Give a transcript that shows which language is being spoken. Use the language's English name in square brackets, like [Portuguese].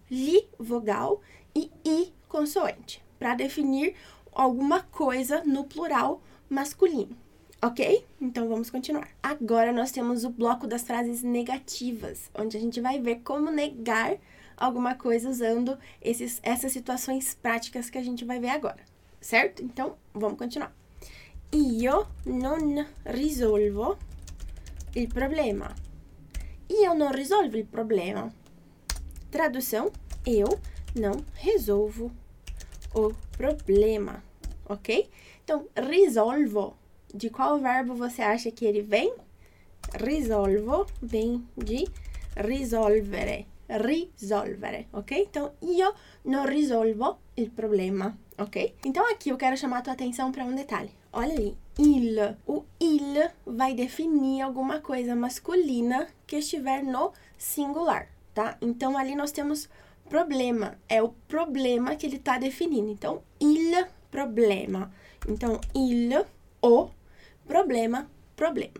[Portuguese] Li, vogal, e I, consoante, para definir alguma coisa no plural masculino, ok? Então, vamos continuar. Agora, nós temos o bloco das frases negativas, onde a gente vai ver como negar alguma coisa usando essas situações práticas que a gente vai ver agora, certo? Então, vamos continuar. [Italian] Io non risolvo il problema. Io non risolvo il problema. [Portuguese] Tradução, eu não resolvo o problema, ok? Então, risolvo, de qual verbo você acha que ele vem? Risolvo vem de risolvere. Risolvere, ok? Então, [Italian] io non risolvo il problema, [Portuguese] ok? Então, aqui eu quero chamar a tua atenção para um detalhe. Olha ali, il. O il vai definir alguma coisa masculina que estiver no singular, tá? Então, ali nós temos problema. É o problema que ele tá definindo. Então, [Italian] il problema. [Portuguese] Então, il, o, problema, problema.